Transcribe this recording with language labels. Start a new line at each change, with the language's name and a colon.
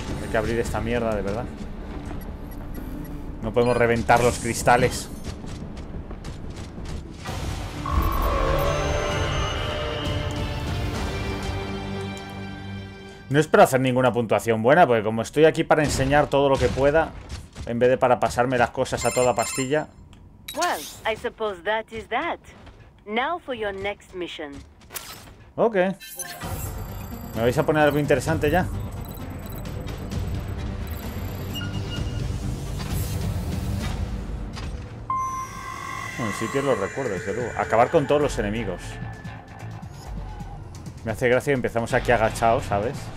Spanish: que abrir esta mierda, de verdad. No podemos reventar los cristales. No espero hacer ninguna puntuación buena, porque como estoy aquí para enseñar todo lo que pueda, en vez de para pasarme las cosas a toda pastilla.
English: Well, I suppose that is that. Now for your next mission. Ok.
Spanish: ¿Me vais a poner algo interesante ya? Bueno, en sitio lo recuerdo, desde luego. Acabar con todos los enemigos. Me hace gracia que empezamos aquí agachados, ¿sabes?